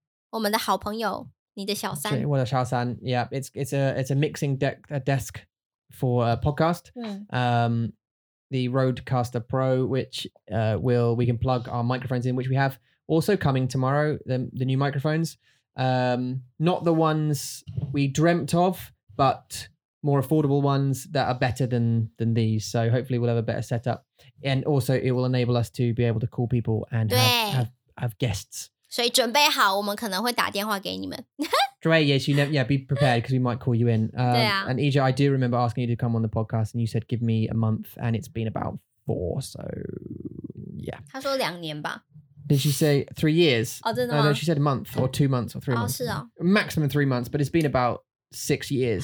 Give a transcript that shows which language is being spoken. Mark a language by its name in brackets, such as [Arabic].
[Chinese] 我们的好朋友，你的小三，我的小三。 [English] Yeah, it's a mixing deck, a desk for a podcast. The Rodecaster Pro, which we can plug our microphones in, which we have also coming tomorrow. The new microphones, not the ones we dreamt of, but more affordable ones that are better than these. So hopefully we'll have a better setup. And also it will enable us to be able to call people and have guests. [Chinese] 所以准备好，我们可能会打电话给你们。 [English] Dre, yes, you never, yeah, be prepared because we might call you in. And EJ, I do remember asking you to come on the podcast and you said, give me a month and it's been about four. So yeah. [Chinese] 他说两年吧。 [English] Did she say 3 years? [Chinese] Oh, 真的吗? [English] No, she said a month or 2 months or 3 months. [Chinese] 是哦。 [English] Maximum 3 months, but it's been about 6 years.